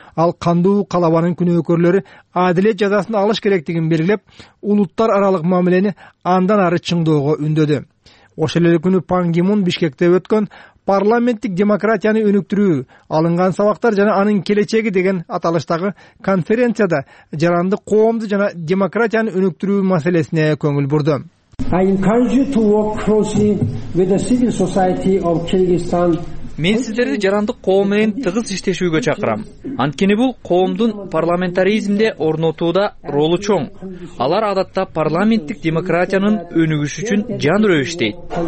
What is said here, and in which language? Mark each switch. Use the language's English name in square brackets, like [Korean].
[Kyrgyz] Ал кандуу калабанын күнөөкөрлөрү адилет жазасын алыш керектигин белгилеп, улуттар аралык мамилени андан ары чыңдоого үндөдү. Ошол эле күнү Пан Ги Мун Бишкекте өткөн парламенттик демократияны өнүктүрүү, алынган сабактар жана анын келечеги деген аталыштагы конференцияда жарандык коомду жана демократияны өнүктүрүү маселесине көңүл бурду. [English] I encourage you to work closely with the civil society of Kyrgyzstan. [Kyrgyz] Мен сиздерди жарандык коом менен тыгыз иштешүүгө чакырам. Анткени бул коомдун парламентаризмде орнотууда ролу чоң. Алар адатта парламенттик демократиянын өнүгүшү үчүн жан ровиштейт.